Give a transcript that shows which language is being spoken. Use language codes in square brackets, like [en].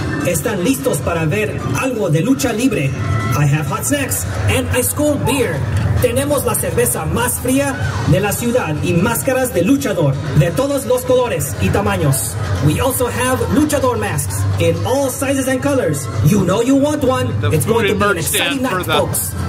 [es] Están listos para ver algo de lucha libre? [en] I have hot snacks and ice cold beer. [es] Tenemos la cerveza más fría de la ciudad y máscaras de luchador de todos los colores y tamaños. [en] We also have luchador masks in all sizes and colors. You know you want one. It's going to be an exciting night, folks.